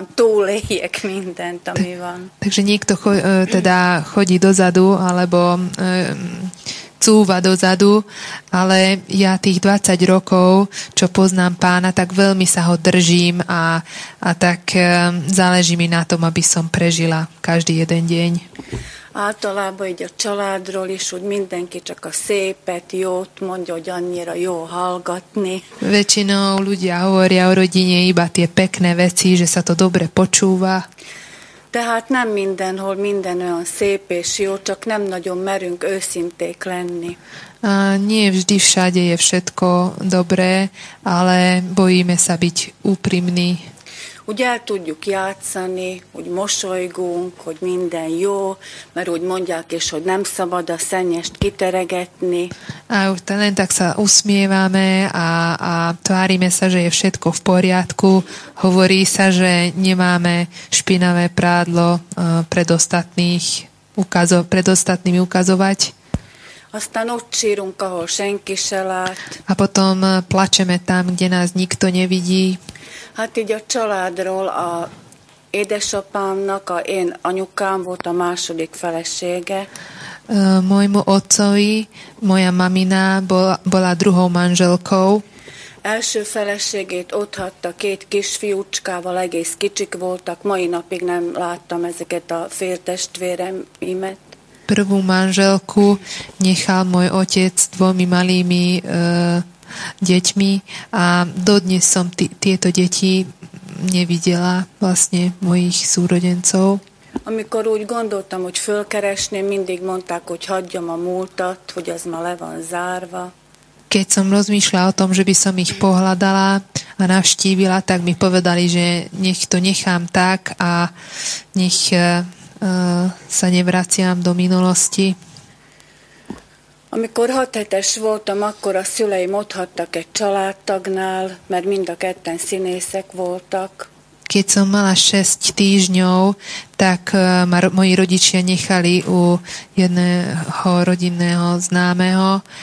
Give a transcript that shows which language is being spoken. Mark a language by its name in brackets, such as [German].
[Hungarian] túlejek mindent, ami van. [Slovak] Takže niekto teda chodí dozadu, alebo cúva dozadu, ale ja tých 20 rokov, čo poznám pána, tak veľmi sa ho držím a tak záleží mi na tom, aby som prežila každý jeden deň. [Hungarian] Általában így a családról is, hogy mindenki csak a szépet, jót mondja, hogy annyira jó hallgatni. [Slovak] Väčšinou ľudia hovoria o rodine iba tie pekné veci, že sa to dobre počúva. [Hungarian] Tehát nem mindenhol minden olyan szép és jó, csak nem nagyon merünk őszinték lenni. [Slovak] A nie vždy všade je všetko dobré, ale bojíme sa byť úprimní. [Hungarian] Úgy el tudjuk játszani, hogy mosolygunk, hogy minden jó, mert úgy mondják is, hogy nem szabad a szennyest kiteregetni. [Slovak] Len tak sa usmievame a tvárime sa, že je všetko v poriadku. Hovorí sa, že nemáme špinavé prádlo pred ostatnými ukazovať. [Hungarian] Aztán ott sírunk, ahol senki se lát. [Slovak] A potom plačeme tam, kde nás nikto nevidí. [Hungarian] Hát így a családról, a édesapámnak, a én anyukám volt a második felesége. [Slovak] Mojmu otcovi, moja mamina bola druhou manželkou. [Hungarian] Első feleségét ott hagyta két kisfiúcskával, egész kicsik voltak, mai napig nem láttam ezeket a féltestvéremet. [Slovak] Prvú manželku nechal môj otec dvomi malými deťmi a dodnes som tieto deti nevidela, vlastne mojich súrodencov. [Hungarian] Amikor úgy gondoltam, hogy fölkeresném, mindig mondták, hogy hagyjam a múltat, hogy az ma le van zárva. [Slovak] Keď som rozmýšľala o tom, že by som ich pohľadala a navštívila, tak mi povedali, že nech to nechám tak a nech sa nevraciam do minulosti. [Hungarian] Amikor 6 hetes voltam, akkor a szüleim otthattak egy családtagnál, mert mind a ketten színészek voltak. [Slovak] Keď som mala 6 týždňov, tak moji rodičia nechali u jedného rodinného známeho.